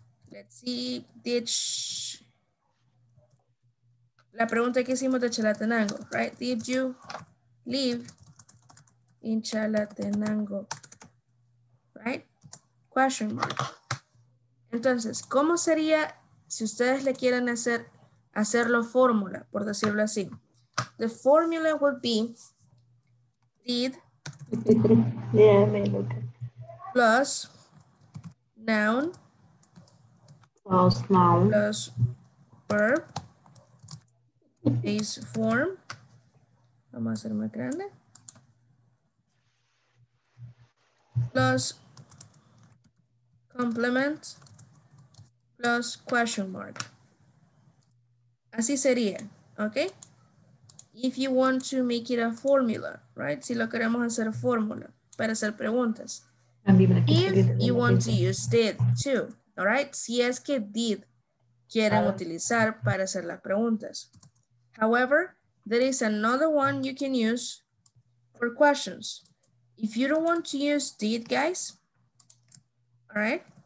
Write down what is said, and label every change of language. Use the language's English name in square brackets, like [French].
[English] Let's see. Did she... [Spanish] La pregunta que hicimos de Chalatenango, right? [English] Did you live in Chalatenango? Right? Question mark. [Spanish] Entonces, ¿cómo sería si ustedes le quieren hacerlo fórmula, por decirlo así? [English] The formula would be did plus noun plus verb base form. [Spanish] Vamos a hacer más grande. [English] Plus complement plus question mark. [Spanish] Así sería, [English] okay? If you want to make it a formula, right? [Spanish] Si lo queremos hacer fórmula para hacer preguntas. [English] If you want to use did too, all right? [Spanish] Si es que did quieren utilizar para hacer las preguntas. [English] However, there is another one you can use for questions. If you don't want to use did, guys, all right?